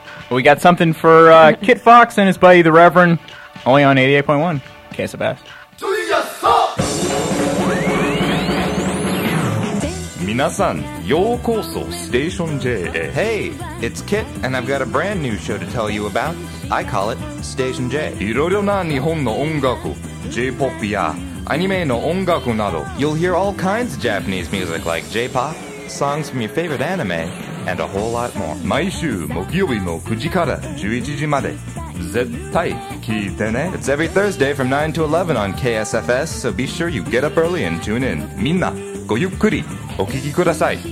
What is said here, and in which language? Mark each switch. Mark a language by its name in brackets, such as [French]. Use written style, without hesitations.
[English] We got something for Kit Fox and his buddy, the Reverend, only on 88.1 KSFS. To your soul! [Japanese] 皆さん、ようこそ Station J へ。 [English] Hey, it's Kit, and I've got a brand new show to tell you about. I call it Station J. [Japanese] いろいろな日本の音楽、J-pop やアニメの音楽など。 [English] You'll hear all kinds of Japanese music like J-pop, songs from your favorite anime,and a whole lot more. [Japanese] 毎週木曜日の9時から11時まで絶対聞いてね。 [English] It's every Thursday from 9 to 11 on KSFS, so be sure you get up early and tune in. [Japanese] みんな、ごゆっくりお聞きください。